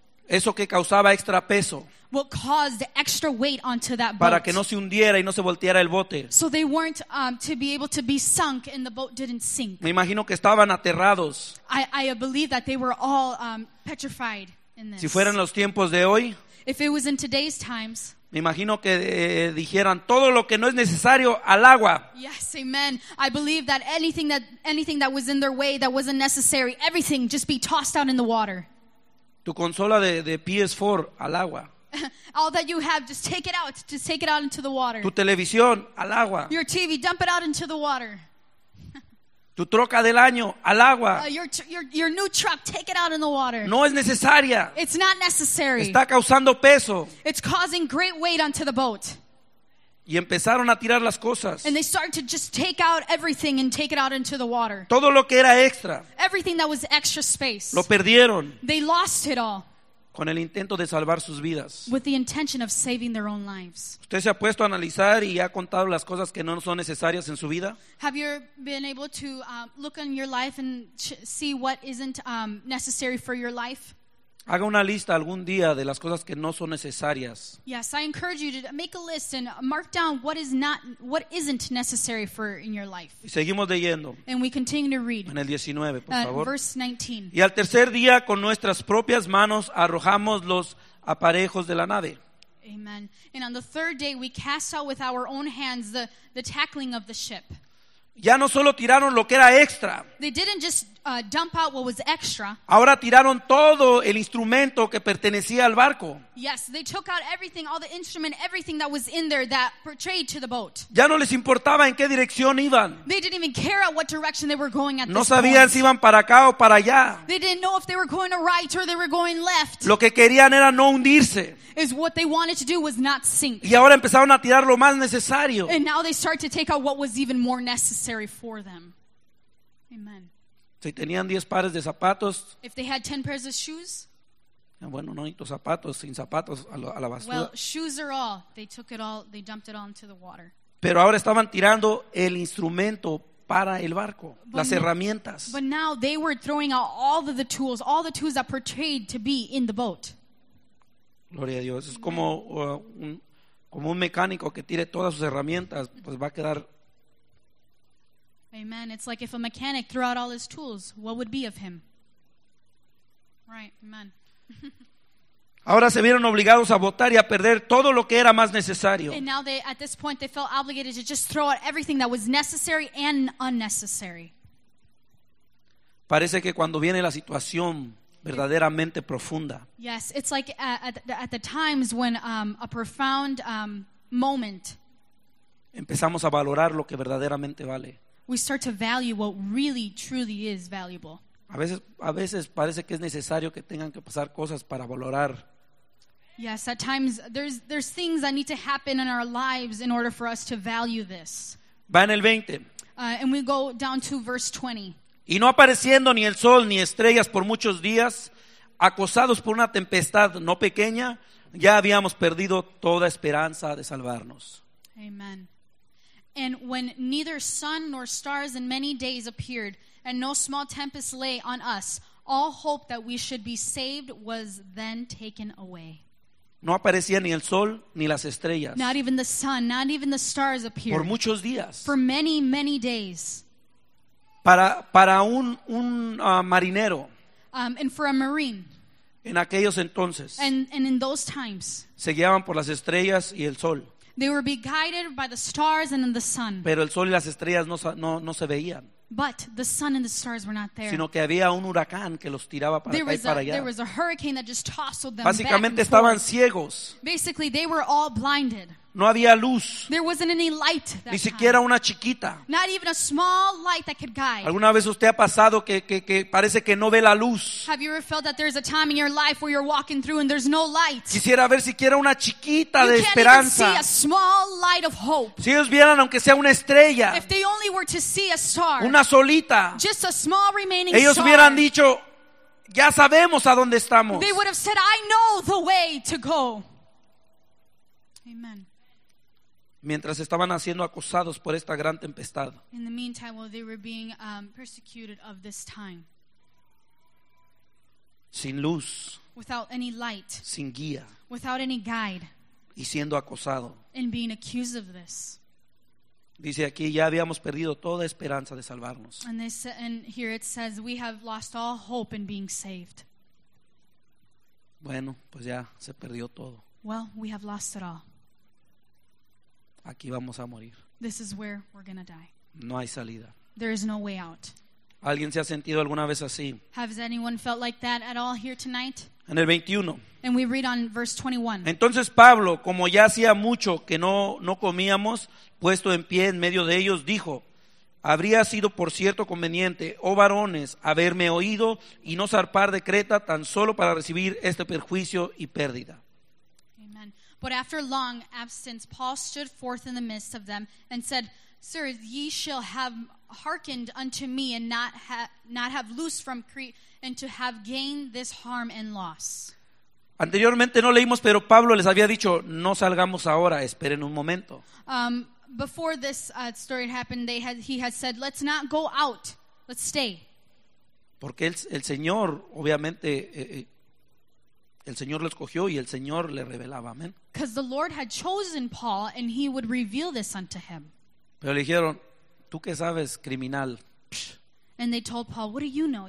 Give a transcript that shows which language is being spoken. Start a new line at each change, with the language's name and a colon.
Spanish: Eso que causaba extra peso.
English: What caused extra weight onto that boat.
Spanish: Para que no se hundiera y no se volteara el bote.
English: So they weren't to be able to be sunk and the boat didn't sink.
Spanish: Me imagino que estaban aterrados.
English: I believe that they were all petrified in this.
Spanish: Si fueran los tiempos de hoy.
English: If it was in today's times.
Spanish: Me imagino que dijeran todo lo que no es necesario al agua.
English: Yes, amen. I believe that anything that was in their way that wasn't necessary, everything just be tossed out in the water.
Spanish: Tu consola de PS4 al agua.
English: All that you have, just take it out. Just take it out into the water.
Spanish: Tu televisión al agua.
English: Your TV, dump it out into the water.
Spanish: Tu troca del año al agua.
English: Your new truck, take it out in the water.
Spanish: No es necesaria.
English: It's not necessary.
Spanish: Está causando peso.
English: It's causing great weight onto the boat.
Spanish: Y empezaron a tirar las cosas.
English: And they started to just take out everything and take it out into the water.
Spanish: Todo lo que era extra.
English: Everything that was extra space.
Spanish: Lo perdieron.
English: They lost it all.
Spanish: Con el intento de salvar sus vidas.
English: With the intention of saving their own lives.
Spanish: ¿Usted se ha puesto a analizar y ha contado las cosas que no son necesarias en su vida?
English: Have you been able to look in your life and see what isn't necessary for your life?
Spanish: Haga una lista algún día de las cosas que no son necesarias.
English: Yes, I encourage you to make a list and mark down what isn't necessary for in your life.
Spanish: Y seguimos leyendo.
English: And we continue to read.
Spanish: En el 19, por favor.
English: Verse 19.
Spanish: Y al tercer día con nuestras propias manos arrojamos los aparejos de la nave.
English: Amen. And on the third day we cast out with our own hands the tackling of the ship.
Spanish: Ya no solo tiraron lo que era extra.
English: They didn't just dump out what was extra.
Spanish: Ahora tiraron todo el instrumento que pertenecía al barco.
English: Yes, they took out everything, all the instrument, everything that was in there that portrayed to the boat.
Spanish: Ya no les importaba en qué dirección iban.
English: They didn't even care at what direction they were going at
Spanish: no
English: this
Spanish: sabían
English: point.
Spanish: Si iban para acá o para allá.
English: They didn't know if they were going to right or they were going left.
Spanish: Lo que querían era no hundirse.
English: Is what they wanted to do was not sink.
Spanish: Y ahora empezaron a tirar lo más necesario.
English: And now they start to take out what was even more necessary for them. Amen.
Spanish: Si tenían 10 pares de zapatos.
English: If they had 10 pairs of shoes.
Spanish: Bueno, no, tus zapatos, sin zapatos, a la basura.
English: Well, shoes are all. They took it all, they dumped it all into the water.
Spanish: Pero ahora estaban tirando el instrumento para el barco, las herramientas.
English: But now they were throwing out all the tools that portrayed to be in the boat.
Spanish: Gloria a Dios. Es como un mecánico que tire todas sus herramientas, pues va a quedar.
English: Amen. Amen. It's like if a mechanic threw out all his tools, what would be of him? Right. Amen.
Spanish: Ahora se vieron obligados a votar y a perder todo lo que era más necesario.
English: And now they, at this point, they felt obligated to just throw out everything that was necessary and unnecessary.
Spanish: Parece que cuando viene la situación verdaderamente profunda.
English: Yes, it's like at the times when a profound moment.
Spanish: Empezamos a valorar lo que verdaderamente vale.
English: We start to value what really, truly is valuable.
Spanish: A veces parece que es necesario que tengan que pasar cosas para valorar.
English: Yes, at times there's things that need to happen in our lives in order for us to value this.
Spanish: Va en el 20.
English: And we go down to verse 20.
Spanish: Y no apareciendo ni el sol ni estrellas por muchos días, acosados por una tempestad no pequeña, ya habíamos perdido toda esperanza de salvarnos.
English: Amen. And when neither sun nor stars in many days appeared, and no small tempest lay on us, all hope that we should be saved was then taken away.
Spanish: No aparecía ni el sol ni las estrellas.
English: Not even the sun, not even the stars appeared.
Spanish: Por muchos días.
English: For many, many days.
Spanish: Para un marinero.
English: And for a marine.
Spanish: En aquellos entonces.
English: And in those times.
Spanish: Se guiaban por las estrellas y el sol.
English: They were be guided by the stars and in the sun.
Spanish: Pero el sol y las estrellas no se veían.
English: But the sun and the stars were not there.
Spanish: Sino que había un huracán que los tiraba para acá y para allá.
English: There was a hurricane that just tossed them.
Spanish: Básicamente estaban ciegos.
English: Basically, they were all blinded.
Spanish: No había luz.
English: There wasn't any light that
Spanish: ni siquiera una chiquita.
English: Not even a small light that could guide.
Spanish: ¿Alguna vez usted ha pasado que parece que no ve la luz?
English: Have you ever felt that there's a time in your life where you're walking through and there's no light?
Spanish: Quisiera ver siquiera una chiquita
English: you
Spanish: de esperanza.
English: Can't even see a small light of hope.
Spanish: Si ellos vieran aunque sea una estrella.
English: If they only were to see a star.
Spanish: Una solita.
English: Just a small remaining star.
Spanish: Ellos hubieran dicho, ya sabemos a dónde estamos.
English: They would have said, I know the way to go. Amen.
Spanish: Mientras estaban siendo acosados por esta gran tempestad.
English: In the meantime, while they were being persecuted of this time.
Spanish: Sin luz.
English: Without any light.
Spanish: Sin guía.
English: Without any guide.
Spanish: Y siendo acosado.
English: And being accused of this.
Spanish: Dice aquí, ya habíamos perdido toda esperanza de salvarnos.
English: And here it says, we have lost all hope in being saved.
Spanish: Bueno, pues ya se perdió todo.
English: Well, we have lost it all.
Spanish: Aquí vamos a morir.
English: This is where we're gonna die.
Spanish: No hay salida.
English: There is no way out.
Spanish: ¿Alguien se ha sentido alguna vez así?
English: Has anyone felt like that at all here tonight?
Spanish: En el 21.
English: And we read on verse 21.
Spanish: Entonces Pablo, como ya hacía mucho que no comíamos, puesto en pie en medio de ellos, dijo, habría sido por cierto conveniente, oh varones, haberme oído y no zarpar de Creta tan solo para recibir este perjuicio y pérdida.
English: But after long absence, Paul stood forth in the midst of them and said, Sirs, ye shall have hearkened unto me and not have loosed from Crete and to have gained this harm and loss.
Spanish: Anteriormente no leímos, pero Pablo les había dicho, no salgamos ahora, esperen un momento.
English: Before this story happened, he had said, let's not go out, let's stay.
Spanish: Porque el Señor, obviamente... El Señor lo escogió y el Señor le revelaba, amén.
English: Because the Lord had chosen Paul and he would reveal this unto him.
Spanish: Pero le dijeron, ¿tú qué sabes, criminal?
English: And they told Paul, what do you know?